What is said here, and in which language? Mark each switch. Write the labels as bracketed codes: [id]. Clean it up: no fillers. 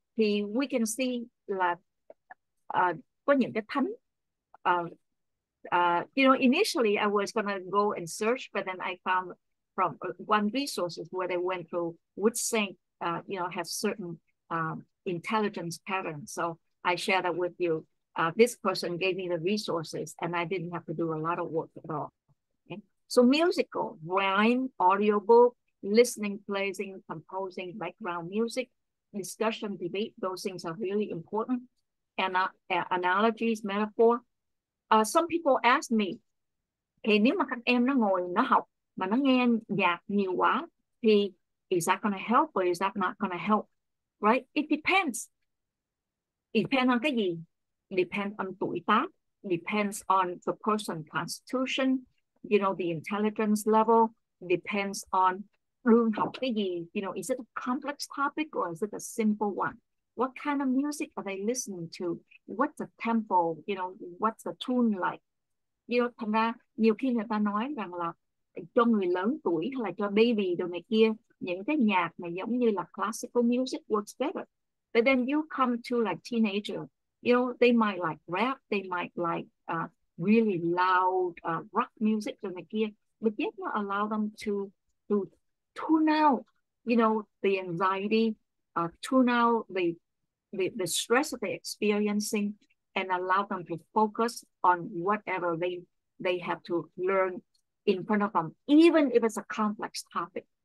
[vi] Thì we can see là có những cái thánh. [en] You know, initially I was going to go and search, but then I found from one resources where they went through which saint, you know, has certain intelligence patterns. So I share that with you. This person gave me the resources and I didn't have to do a lot of work at all. Okay? So musical, rhyme, audiobook, listening, playing, composing, background music, discussion, debate, those things are really important. And analogies, metaphor. Some people ask me, okay, [vi] nếu mà các em nó ngồi nó học mà nó nghe nhạc nhiều quá, thì [en] is that gonna help or is that not gonna help? Right? It depends. Depends on [vi] cái gì? [en] Depends on [vi] tuổi tác. [en] Depends on the person constitution. You know, the intelligence level. Depends on [vi] lương học cái gì. [en] You know, is it a complex topic or is it a simple one? What kind of music are they listening to? What's the tempo? You know, what's the tune like? [vi] You know, thành ra nhiều khi người ta nói rằng là cho người lớn tuổi hay là cho baby đồ này kia, những cái nhạc mà giống như là [en] classical music works better. But then you come to like teenager, you know, they might like rap, they might like really loud rock music [vi] đồ này kia, [en] but yet not allow them to tune out, you know, the anxiety, tune out the stress that they're experiencing and allow them to focus on whatever they have to learn in front of them, even if it's a complex topic.